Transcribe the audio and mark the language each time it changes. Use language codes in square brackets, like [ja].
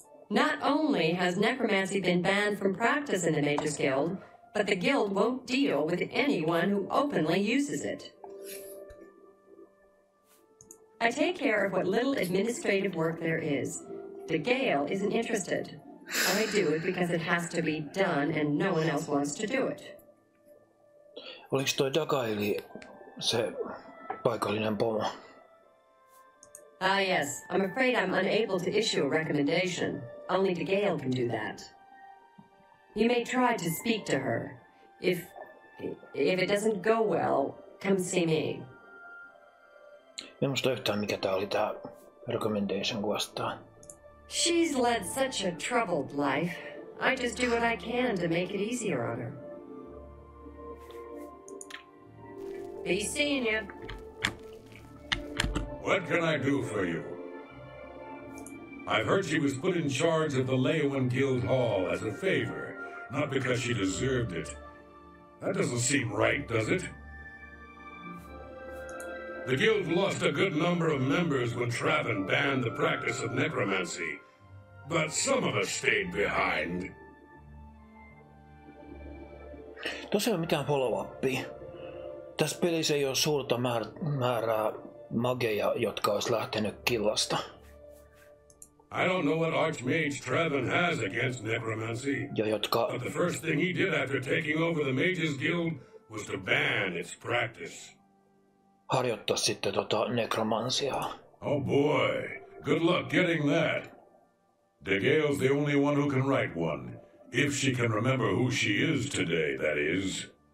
[en] Not only has necromancy been banned from practice in the Mage's Guild, but the guild won't deal with anyone who openly uses it. I take care of what little administrative work there is. De Gale isn't interested. I do it because it has to be done and no one else wants to do it. [fi] Oliks toi Dagaili se paikallinen pomo? [en] Ah yes, I'm afraid I'm unable to issue a recommendation. Only De Gale can do that. You may try to speak to her. If it doesn't go well, come see me. [fi] En muista yhtään, mikä tää oli tää recommendation kuvastaan. [en] She's led such a troubled life. I just do what I can to make it easier on her. Be seeing you. What can I do for you? I've heard she was put in charge of the Leyland Guild Hall as a favor, not because she deserved it. That doesn't seem right, does it? The guild lost a good number of members when Traven banned the practice of necromancy, but some of us stayed behind. [fi] Tosiaan ei mitään follow-upia. Tässä pelissä ei ole suurta määrää mageja, jotka olisi lähtenyt killasta. [en] I don't know what Archmage Traven has against necromancy, but the first thing he did after taking over the Mage's Guild was to ban its practice. [fi] Harjoittaa sitten tota nekromansiaa. [en] Oh boy, good luck getting that. De Gale's the only one who can write one. If she can remember who she is today, that is.